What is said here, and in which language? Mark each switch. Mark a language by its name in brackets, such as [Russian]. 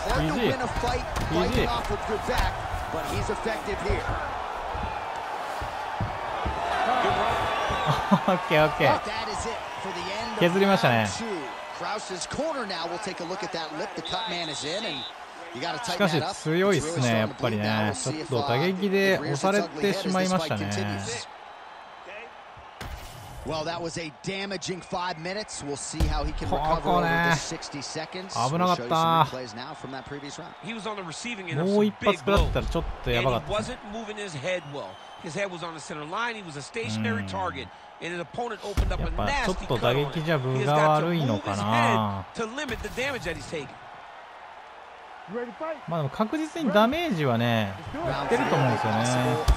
[English] Hard to win a fight, fighting off with good back, but he's effective here. Okay. That is it for the end of round two. Krause's corner now. We'll take a look at that lip. The cut man is in, and you got to tighten up. [Japanese] しかし強いですね。やっぱりね。ちょっと打撃で押されてしまいましたね。 [English] Well, that was a damaging 5 minutes. We'll see how he can recover [Japanese] ここ、ね、 [English] over the 60 seconds. We'll show you some replays now from that previous round. He was on the receiving end of some big blows, and he wasn't moving his head well. His head was on the center line. He was a stationary target, and his opponent opened up a nasty cut on him. He's got to move his head to limit the damage that he's taking. [Japanese] まあでも確実にダメージはね、やってると思うんですよね。